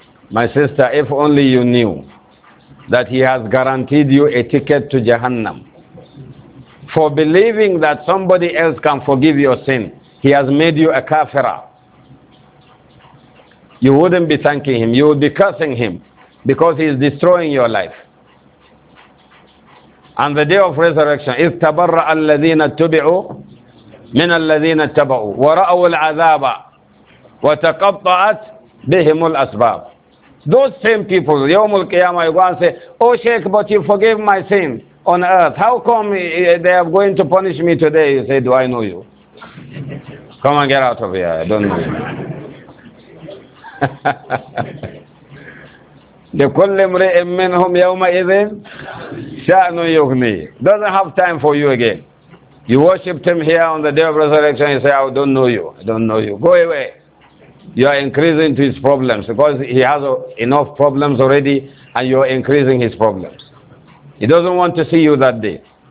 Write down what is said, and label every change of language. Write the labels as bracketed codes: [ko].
[en] My sister, if only you knew that he has guaranteed you a ticket to Jahannam. For believing that somebody else can forgive your sin, he has made you a kafira. You wouldn't be thanking him, you would be cursing him, because he is destroying your life. On the day of resurrection, [ar] إِذْ تَبَرَّأَ الَّذِينَ اتَّبِعُوا مِنَ الَّذِينَ اتَّبَعُوا وَرَأَوُا الْعَذَابَ وَتَقَطَّعَتْ بِهِمُ الْأَسْبَابُ. [en] Those same people, [ar] يوم القيامة, [en] go and say, oh Sheikh, but you forgave my sin on earth. How come they are going to punish me today? You say, do I know you? Come and get out of here. I don't know you. [ar] لكل امرئ منهم يومئذ شأن يغنيه. [en] Doesn't have time for you again. You worshipped him here on the day of resurrection. You say, I don't know you. I don't know you. Go away. You are increasing to his problems, because he has enough problems already, and you are increasing his problems. He doesn't want to see you that day.